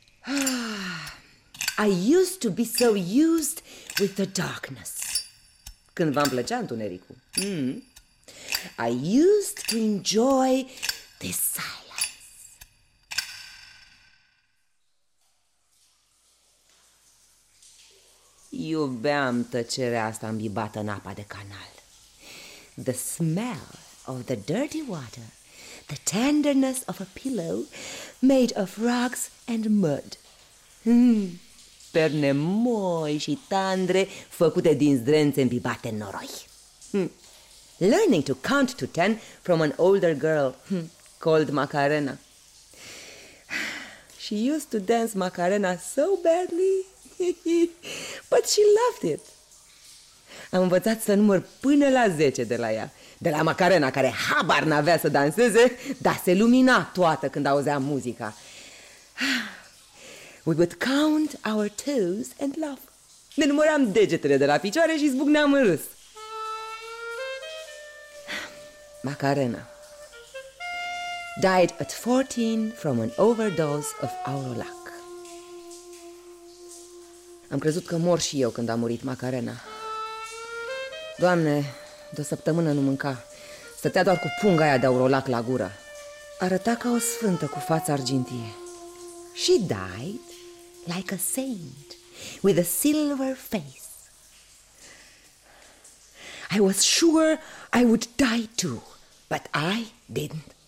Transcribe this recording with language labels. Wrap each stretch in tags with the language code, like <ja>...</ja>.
<en>I used to be so used with the darkness.</en> <ro>Când v-am plăcea întunericul.</ro> <en>I used to enjoy the silence.</en> <ro>Iubeam tăcerea asta îmbibată în apa de canal.</ro> <en>The smell of the dirty water, the tenderness of a pillow made of rocks and mud.</en> <ro>Perne moi și tandre făcute din zdrențe îmbibate în noroi.</ro> <en>Learning to count to ten from an older girl called Macarena. She used to dance Macarena so badly, but she loved it.</en> <ro>Am învățat să număr până la 10 de la ea, de la Macarena, care habar n-avea să danseze, dar se lumina toată când auzea muzica.</ro> <en>We would count our toes and laugh.</en> <ro>Ne număram degetele de la picioare și zbucneam în râs.</ro> <en>Macarena died at 14 from an overdose of Aurolac.</en> <ro>Am crezut că mor și eu când a murit Macarena. Doamne, de o săptămână nu mânca. Stătea doar cu punga aia de Aurolac la gură. Arăta ca o sfântă cu fața argintie.</ro> <en>She died like a saint, with a silver face. I was sure I would die too, but I didn't.</en>